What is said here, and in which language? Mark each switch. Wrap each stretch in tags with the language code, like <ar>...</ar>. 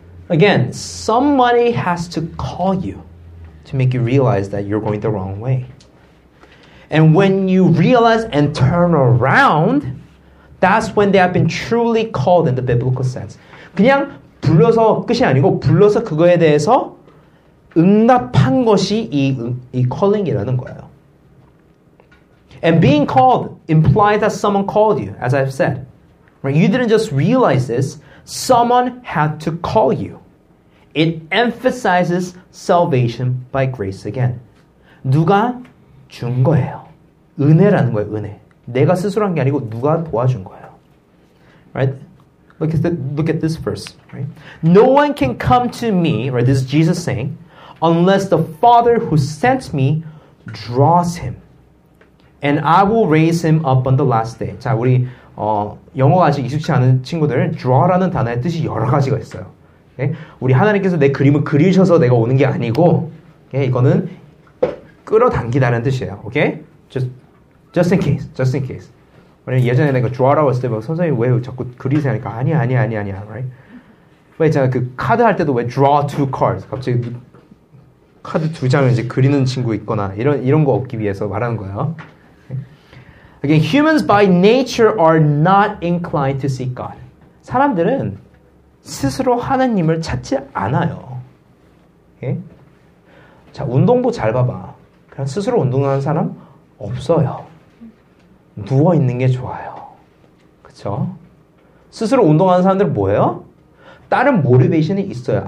<en>Again, somebody has to call you to make you realize that you're going the wrong way. And when you realize and turn around, that's when they have been truly called in the biblical sense.</en> <ko>그냥 불러서 끝이 아니고 불러서 그거에 대해서 응답한 것이 이 calling이라는 거예요.</ko> <en>And being called implies that someone called you, as I've said. Right? You didn't just realize this. Someone had to call you. It emphasizes salvation by grace again. 누가 준 거예요? 은혜라는 거예요, 은혜. 내가 스스로 한 게 아니고 누가 도와준 거예요. Right? Look at this verse. Right? No one can come to me, right? This is Jesus saying, unless the Father who sent me draws him. And I will raise him up on the last day.</en> <ko>자, 우리 영어가 아직 익숙치 않은 친구들은 draw라는 단어의 뜻이 여러 가지가 있어요.</ko> <en>Okay?</en> <ko>우리 하나님께서 내 그림을 그리셔서 내가 오는 게 아니고 okay? 이거는 끌어당기다라는 뜻이에요.</ko> <en>Okay? Just in case.</en> <ko>왜냐면 예전에 내가 draw라고 했을 때 막 선생님 왜 자꾸 그리세요? 하니까 아니야.</ko> <en>Right?</en> <ko>왜 제가 그 카드 할 때도 왜</ko> <en>draw two cards?</en> <ko>갑자기 카드 두 장을 이제 그리는 친구 있거나 이런 거 없기 위해서 말하는 거예요.</ko> <en>Again, humans by nature are not inclined to seek God.</en> <ko>사람들은 스스로 하나님을 찾지 않아요. Okay? 자, 운동도 잘 봐봐. 그냥 스스로 운동하는 사람 없어요. 누워 있는 게 좋아요. 그렇죠? 스스로 운동하는 사람들은 뭐예요? 다른 모티베이션이 있어요.</ko>